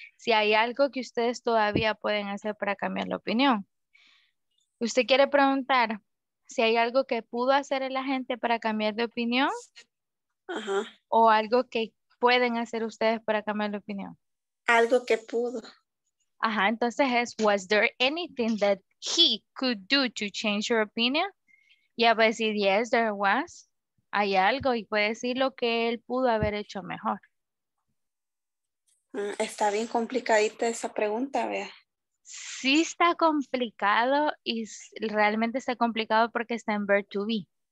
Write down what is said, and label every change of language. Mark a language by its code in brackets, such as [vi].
[es] Si hay algo que ustedes todavía pueden hacer para cambiar la opinión. ¿Usted quiere preguntar si hay algo que pudo hacer la gente para cambiar de opinión? Ajá. ¿O algo que pueden hacer ustedes para cambiar la opinión? Algo que pudo. Ajá, entonces es, [en] was there anything that he could do to change your opinion? [es] Y a decir, [en] yes, there was. [es] Hay algo, y puede decir lo que él pudo haber hecho mejor. Está bien complicadita esa pregunta, vea. Sí está complicado, y realmente está complicado porque está en verb to be.